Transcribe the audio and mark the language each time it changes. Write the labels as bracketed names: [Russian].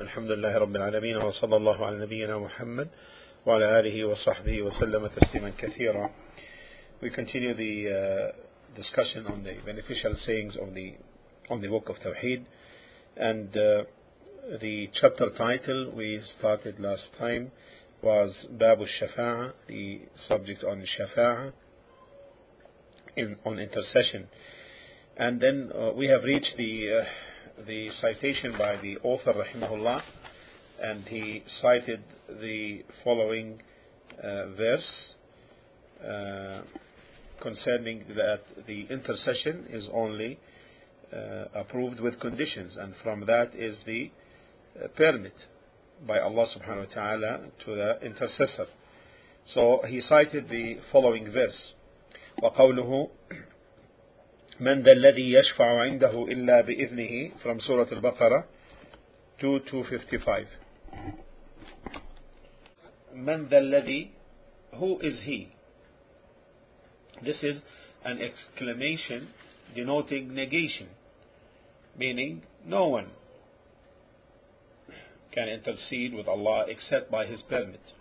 [Arabic] الحمد لله رب العالمين، وصلى الله على نبينا محمد وعلى آله وصحبه وسلم تسليما كثيرا. [English] We continue the discussion on the beneficial sayings of the book of Tawheed, and the chapter title we started last time was Bab al-Shafa'a, the subject on Shafa'a, on intercession. And then we have reached the citation by the author rahimahullah, and he cited the following verse concerning that the intercession is only approved with conditions, and from that is the permit by Allah subhanahu wa ta'ala to the intercessor. So he cited the following verse, [Arabic] وقوله من ذا الذي يشفع عنده إلا بإذنه, [English] from سورة البقرة 2255. [Arabic] من ذا الذي, [English] who is he? This is an exclamation denoting negation, meaning no one can intercede with Allah except by His permit.